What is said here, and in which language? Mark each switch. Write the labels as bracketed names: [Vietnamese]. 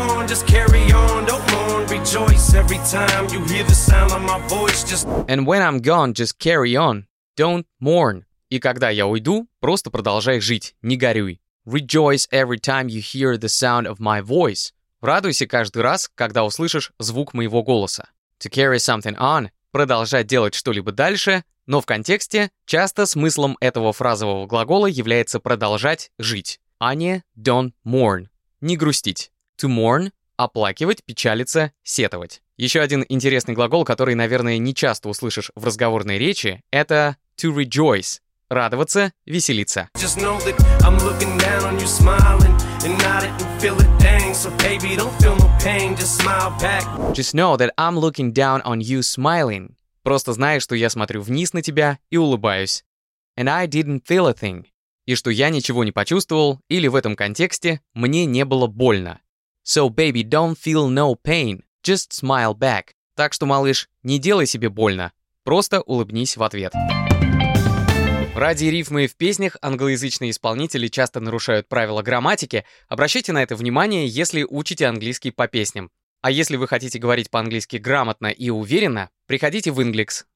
[English] just carry on, don't mourn, rejoice every time you hear the sound of my voice, just... And when I'm gone, just carry on, don't mourn. [Russian] И когда я уйду, просто продолжай жить, не горюй. [English] Rejoice every time you hear the sound of my voice. [Russian] Радуйся каждый раз, когда услышишь звук моего голоса. [English] To carry something on. [Russian] Продолжать делать что-либо дальше, но в контексте часто смыслом этого фразового глагола является продолжать жить, а не [English] don't mourn. [Russian] Не грустить. To mourn – оплакивать, печалиться, сетовать. Еще один интересный глагол, который, наверное, не часто услышишь в разговорной речи, это to rejoice – радоваться, веселиться. [English] Just know that I'm looking down on you smiling and not it and feel it dang. So baby, don't feel no pain, just smile back. Just know that I'm looking down on you smiling. [Russian] Просто знай, что я смотрю вниз на тебя и улыбаюсь. [English] And I didn't feel a thing. [Russian] И что я ничего не почувствовал, или в этом контексте мне не было больно. [English] So baby, don't feel no pain, just smile back. [Russian] Так что, малыш, не делай себе больно, просто улыбнись в ответ. Ради рифмы в песнях англоязычные исполнители часто нарушают правила грамматики. Обращайте на это внимание, если учите английский по песням. А если вы хотите говорить по-английски грамотно и уверенно, приходите в Inglix.